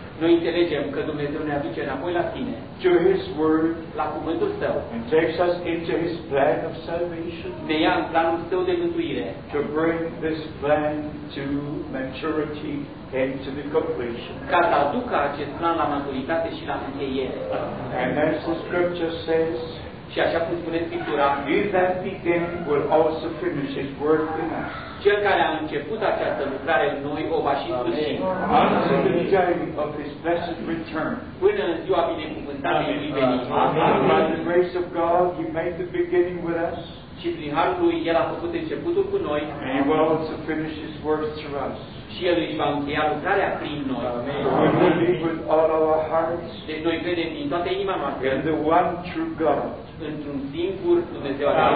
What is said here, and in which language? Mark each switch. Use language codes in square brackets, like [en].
[ro] Noi înțelegem că Dumnezeu ne aduce înapoi la sine, [en] to his word, [ro] la cuvântul său, [en] and takes us into his plan of salvation, [ro] ne ia în planul său de mântuire, [en] to bring this plan to maturity and to the completion, [ro] ca să aducă acest plan la maturitate și la încheiere. [en] And as the scripture says, [ro] și așa cum spune Scriptura, [en] he that began will also finish his work in us. [ro] Cel care a început această lucrare în noi o va și sfârși. Amen. [en] Until the day of his blessed return. [ro] Până în ziua binecuvântată lui venit. Amen. [en] By the grace of God, he made the beginning with us. [ro] Și prin harul lui, el a făcut începutul cu noi. [en] And he will also finish his work through us. [ro] Și el își va încheia lucrarea prin noi. Amen. [en] We believe with all our hearts. [ro] Deci noi credem din toată inima noastră. [en] And the one true God. [ro] Într-un singur Dumnezeu